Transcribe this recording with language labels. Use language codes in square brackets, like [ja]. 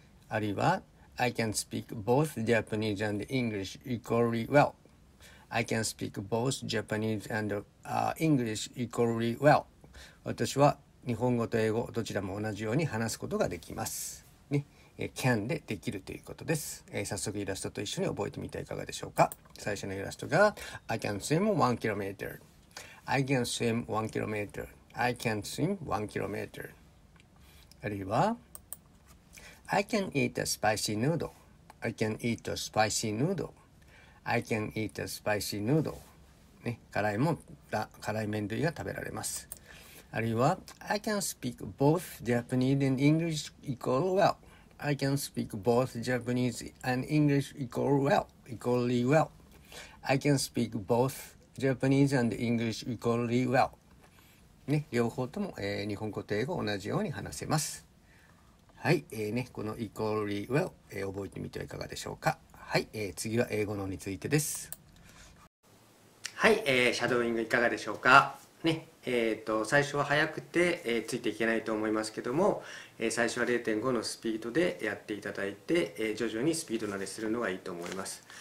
[ja] あるいは [en] I can speak both Japanese and English equally wellI can speak both Japanese and English equally well. [ja] 私は日本語と英語どちらも同じように話すことができます。ね、can でできるということです。早速イラストと一緒に覚えてみてはいかがでしょうか。最初のイラストが [en] I can swim 1km. I can swim 1km. I can swim 1km. [ja] あるいは [en] I can eat a spicy noodle. I can eat a spicy noodle. I can eat a spicy noodle.、 [ja] ね、辛い麺類が食べられます。あるいは、 [en] I can speak both Japanese and English equal well. I can speak both Japanese and English equally well. I can speak both Japanese and English equally well. [ja] ね、両方とも、日本語と英語同じように話せます。はい、ね、この [en] equally well、 [ja] 覚えてみてはいかがでしょうか。はい、次は英語のについてです。はい、シャドーイングいかがでしょうか。ね、最初は速くて、ついていけないと思いますけども、最初は 0.5 のスピードでやっていただいて、徐々にスピード慣れするのがいいと思います。